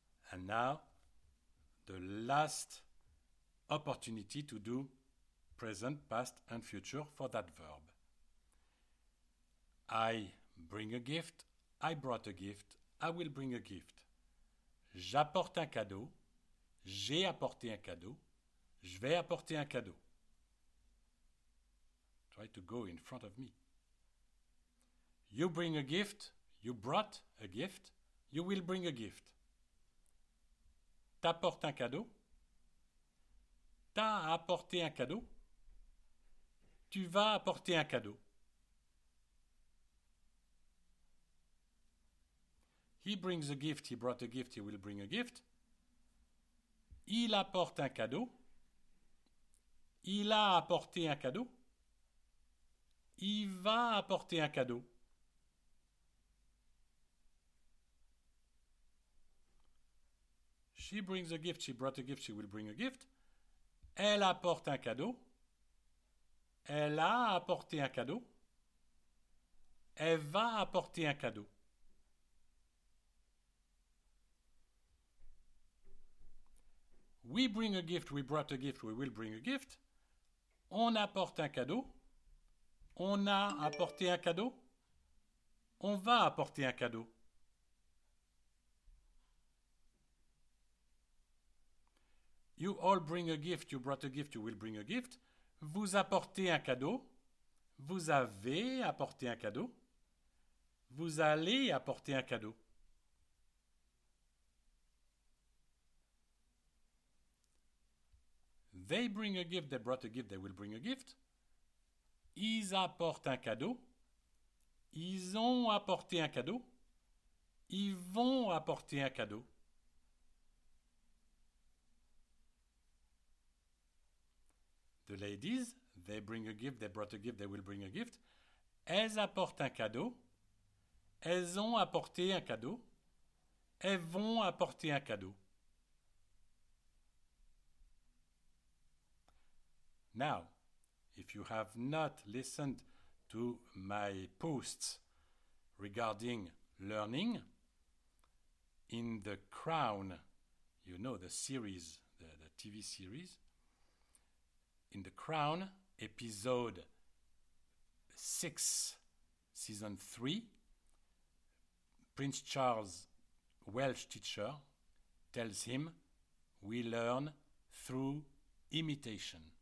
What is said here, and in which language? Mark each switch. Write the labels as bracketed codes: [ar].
[en] And now the last opportunity to do present, past and future for that verb. I bring a gift, I brought a gift, I will bring a gift. [fr] J'apporte un cadeau, j'ai apporté un cadeau, je vais apporter un cadeau. [en] Try to go in front of me. You bring a gift, you brought a gift, you will bring a gift. [fr] T'apportes un cadeau, t'as apporté un cadeau, tu vas apporter un cadeau. [en] He brings a gift, he brought a gift, he will bring a gift. [fr] Il apporte un cadeau. Il a apporté un cadeau. Il va apporter un cadeau. [en] She brings a gift, she brought a gift, she will bring a gift. [fr] Elle apporte un cadeau. Elle a apporté un cadeau. Elle va apporter un cadeau. [en] We bring a gift, we brought a gift, we will bring a gift. [fr] On apporte un cadeau. On a apporté un cadeau. On va apporter un cadeau. [en] You all bring a gift, you brought a gift, you will bring a gift. [fr] Vous apportez un cadeau. Vous avez apporté un cadeau. Vous allez apporter un cadeau. [en] They bring a gift, they brought a gift, they will bring a gift. [fr] Ils apportent un cadeau. Ils ont apporté un cadeau. Ils vont apporter un cadeau. [en] The ladies, they bring a gift, they brought a gift, they will bring a gift. [fr] Elles apportent un cadeau. Elles ont apporté un cadeau. Elles vont apporter un cadeau. [en] Now, if you have not listened to my posts regarding learning, in The Crown, you know the series, the TV series, in The Crown, episode 6, season 3, Prince Charles, Welsh teacher, tells him, we learn through imitation.